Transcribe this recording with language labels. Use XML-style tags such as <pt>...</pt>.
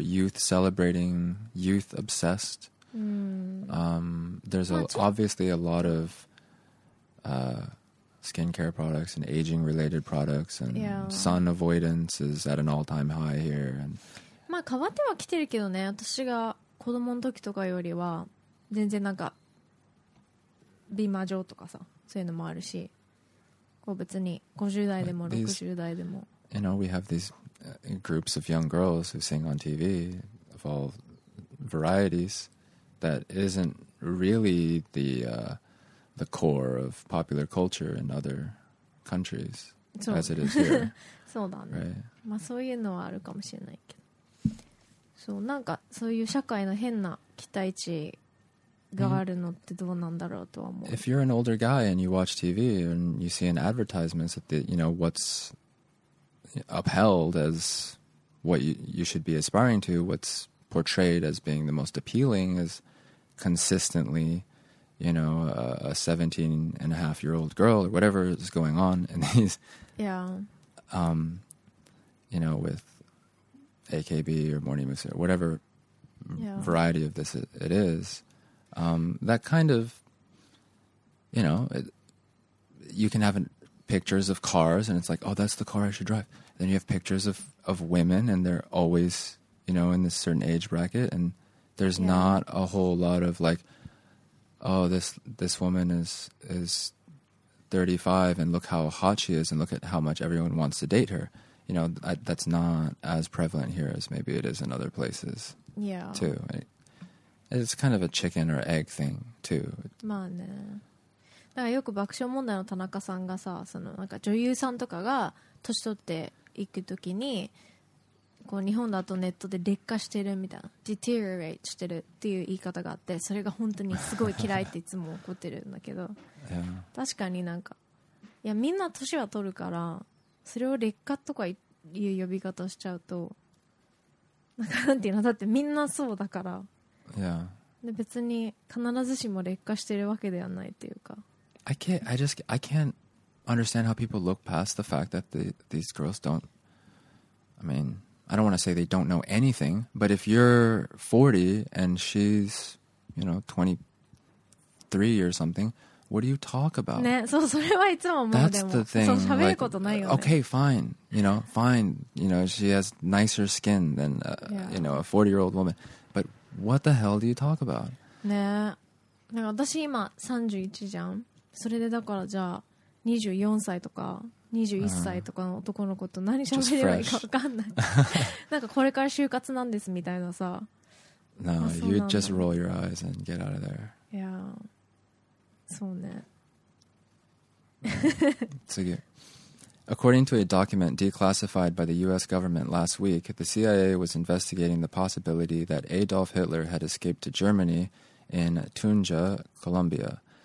<en>Youth celebrating, youth obsessed. There's obviously a lot of skincare products and aging related products and sun avoidance is at an all time high here. And</en> <ja>まあ変わってはきてるけどね、私が子供の時とかよりは全然なんか美魔女とかさそういうのもあるし、こう別に50代でも60代でも、</ja> <en>you know, we have these groups of young girls who sing on TV of all varieties that isn't really the core of popular culture in other countries as it is here.</en> <ja>そうだね、</ja> <en>right.</en> <ja>まあそういうのはあるかもしれないけど、そうなんかそういう社会の変な期待値があるのってどうなんだろうとは思う。</ja> <en>If you're an older guy and you watch TV and you see an advertisement that the, you know what's upheld as what you should be aspiring to, what's portrayed as being the most appealing is consistentlyYou know, a 17 and a half year old girl or whatever is going on in these. Yeah. You know, with AKB or Morning Musume or whatever variety of this it is. That kind of you know, you can have pictures of cars and it's like, oh, that's the car I should drive. Then you have pictures of women and they're always, you know, in this certain age bracket. And there's not a whole lot of like, oh, this woman is 35 and look how hot she is and look at how much everyone wants to date her. You know, that's not as prevalent here as maybe it is in other places. Yeah. Too. It's kind of a chicken or egg thing, too.</en> <ja>まあね。だからよく爆笑問題の田中さんがさ、そのなんか女優さんとかが年取っていくときに、こう日本だとネットで劣化してるみたいな、deteriorate してるっていう言い方があって、それが本当にすごい嫌いっていつも怒ってるんだけど。</ja> <en>Yeah.</en> <ja>確かになんか、いやみんな年は取るから、それを劣化とかいう呼び方しちゃうと、なんかなんていうの、だってみんなそうだから。</ja> <en>Yeah.</en> <ja>で別に必ずしも劣化してるわけではないっていうか。</ja> <en>I can't understand how people look past the fact that these girls don't. I mean, I don't want to say they don't know anything, but if you're 40 and she's, you know, 23 or something, what do you talk about?</en> <ja>ね、そう、それはいつも思う。</ja> <en>That's the thing.</en> <ja>そう、喋ることないよね。</ja> <en>Okay, fine. You know, fine. You know, she has nicer skin than you know, a 40-year-old woman. But what the hell do you talk about?</en> <ja>ね、なんか私今31じゃん。それでだからじゃあ24歳とか21歳とかの男の子と何喋ればいいか分かんない。なんかこれから就活なんですみたいなさ。</ja> <en>No, you just roll your eyes and get out of there.</en> <ja>Yeah. そうね。次。</ja> <en>According to a document declassified by the U.S. government last week, the CIA was investigating the possibility that Adolf Hitler had escaped to Germany in Tunja, Colombia.</en>